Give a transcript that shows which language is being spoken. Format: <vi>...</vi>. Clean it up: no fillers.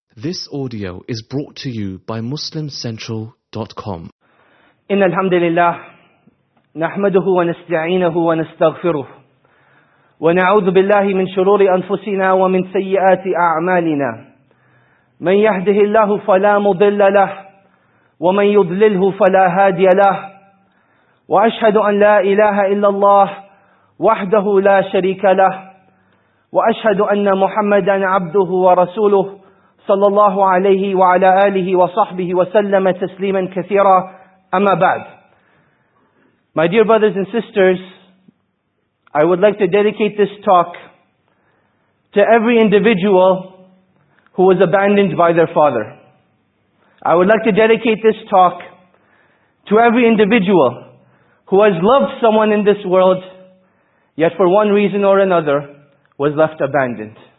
<en>This audio is brought to you by MuslimCentral.com.</en> <ar>إن الحمد لله نحمده ونستعينه ونستغفره ونعوذ بالله من شرور أنفسنا ومن سيئات أعمالنا. من يهده الله فلا مضل له ومن يضلله فلا هادي له. وأشهد أن لا إله إلا الله وحده لا شريك له وأشهد أن محمدا عبده ورسوله صلى الله عليه وعلى آله وصحبه وسلم تسليما كثيرا أما بعد.</ar> <en>My dear brothers and sisters, I would like to dedicate this talk to every individual who was abandoned by their father. I would like to dedicate this talk to every individual who has loved someone in this world, yet for one reason or another was left abandoned.</en>